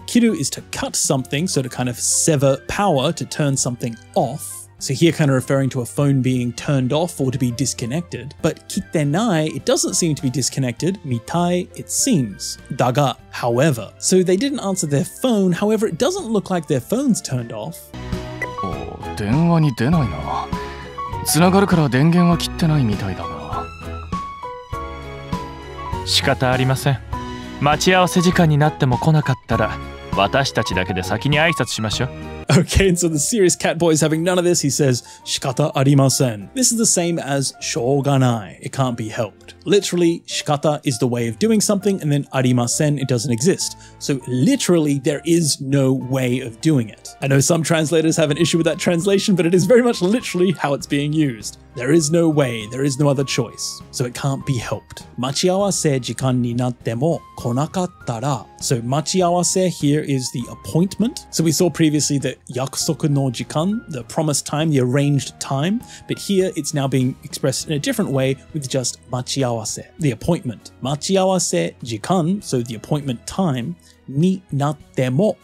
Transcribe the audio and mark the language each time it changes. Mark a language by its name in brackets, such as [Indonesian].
[English] Kiru is to cut something, so to kind of sever power, to turn something off. So here kind of referring to a phone being turned off or to be disconnected. But kittenai, it doesn't seem to be disconnected. Mitai, it seems. Daga, however. So they didn't answer their phone, however it doesn't look like their phone's turned off. [Japanese] Oh, 電話に出ないな. 繋がるから電源は切ってないみたいだな. 仕方ありません. 待ち合わせ時間になっても来なかったら私たちだけで先に挨拶しましょう. [English] Okay, and so the serious cat boy is having none of this. He says, [Japanese] shikata arimasen. [English] This is the same as shouganai. It can't be helped. Literally, shikata is the way of doing something, and then arimasen, it doesn't exist. So literally, there is no way of doing it. I know some translators have an issue with that translation, but it is very much literally how it's being used. There is no way, there is no other choice. So it can't be helped. [Japanese] 待ち合わせ時間になっても来なかったら. [English] So, machiawase here is the appointment. So, we saw previously that [Japanese] yakusoku no jikan, [English] the promised time, the arranged time, but here it's now being expressed in a different way with just machiawase, the appointment. [Japanese] Machiawase jikan, [English] so the appointment time, [Japanese] ni natemo.